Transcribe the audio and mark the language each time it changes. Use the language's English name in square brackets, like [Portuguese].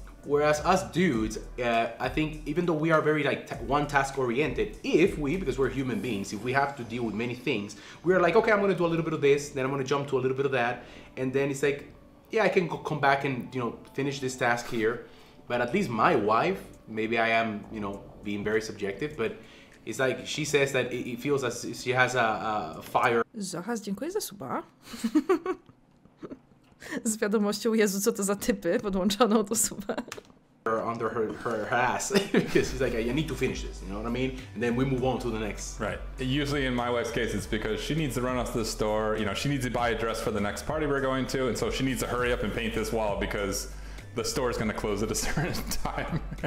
[English] Whereas us dudes, I think even though we are very like one task oriented, because we're human beings, if we have to deal with many things, we are like, okay, I'm gonna do a little bit of this, then I'm gonna jump to a little bit of that, and then it's like, yeah, I can come back and, you know, finish this task here. But at least my wife, maybe I am, you know, being very subjective, but it's like she says that it feels as if she has a fire. [Polish] Zachas, dziękuję za suba. Z wiadomością, Jezu, co to za typy, podłączoną do suba. [English] Under her ass, because she's like, I need to finish this, you know what I mean? And then we move on to the next. Right. Usually in my wife's case, it's because she needs to run off to the store, you know, she needs to buy a dress for the next party we're going to, and so she needs to hurry up and paint this wall because the store is going to close at a certain time.